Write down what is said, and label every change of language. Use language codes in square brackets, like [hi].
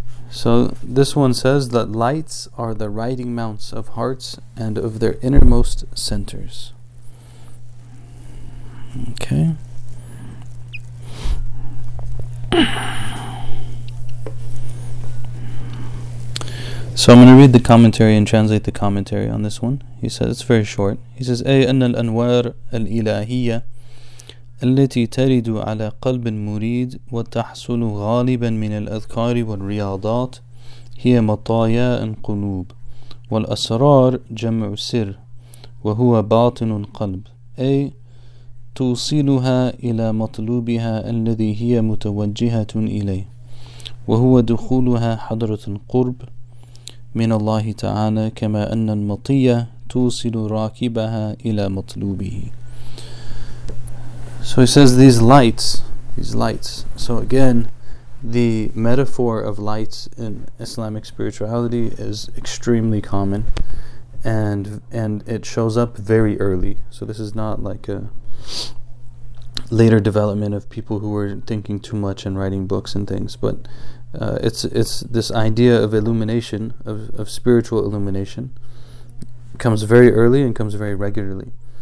[en] So this one says that lights are the riding mounts of hearts and of their innermost centers. Okay. So I'm going to read the commentary and translate the commentary on this one. He says, it's very short. He says, [ar] أي أن الأنوار الإلهية التي ترد على قلب مريد وتحصل غالبا من الأذكار والرياضات هي مطايا القلوب والأسرار جمع سر وهو باطن القلب أي توصلها إلى مطلوبها الذي هي متوجهة إليه وهو دخولها حضرة القرب من الله تعالى كما أن المطية توصل راكبها إلى مطلوبه. [en] So he says these lights. So again, the metaphor of lights in Islamic spirituality is extremely common, and it shows up very early. So this is not like a later development of people who were thinking too much and writing books and things, but it's this idea of illumination, of spiritual illumination, comes very early and comes very regularly.